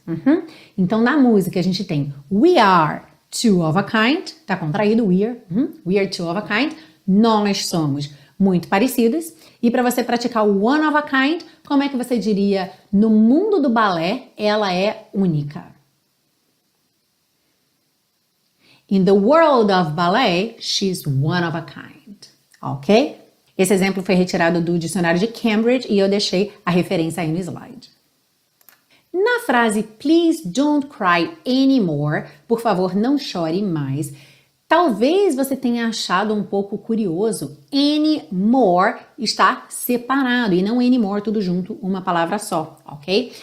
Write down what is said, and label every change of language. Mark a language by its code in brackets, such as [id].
[pt] Uhum. Então, na música a gente tem [en] we are two of a kind, [pt] tá contraído, we are two of a kind, nós somos muito parecidas. E para você praticar o [en] one of a kind, [pt] como é que você diria no mundo do balé, ela é única? [en] In the world of ballet, she's one of a kind. Ok? [pt] Esse exemplo foi retirado do dicionário de Cambridge e eu deixei a referência aí no slide. Na frase [en] please don't cry anymore, [pt] por favor não chore mais, talvez você tenha achado um pouco curioso, any more está separado e não anymore tudo junto, uma palavra só, ok?